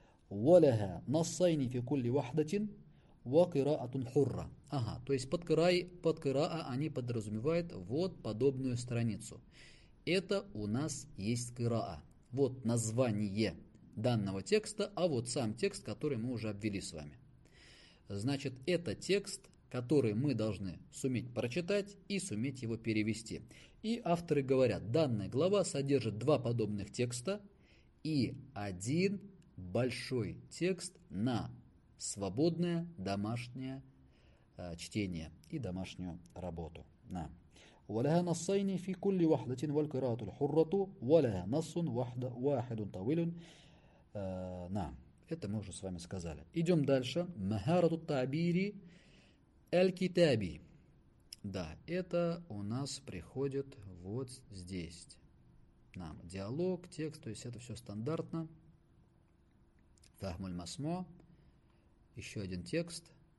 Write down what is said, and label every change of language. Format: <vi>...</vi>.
<ar>ولها نصين في كل واحده وقراءه حره</ar> <ru>ага то есть под قراءه они подразумевают вот подобную страницу это у нас есть قراءه вот название данного текста а вот сам текст который мы уже обвели с вами Значит, это текст, который мы должны суметь прочитать и суметь его перевести. И авторы говорят, данная глава содержит два подобных текста и один большой текст на свободное домашнее чтение и домашнюю работу. На.</ru> <ar>ولها نصين في كل واحدة والقراءة الحرة ولها نص واحد طويل.</ar> <ru>На. Это мы уже с вами сказали. Идем дальше. Махарату табири аль-китаби. Да, это у нас приходит вот здесь. Нам диалог, текст, то есть это все стандартно. Фахмуль масмо. Еще один текст.</ru>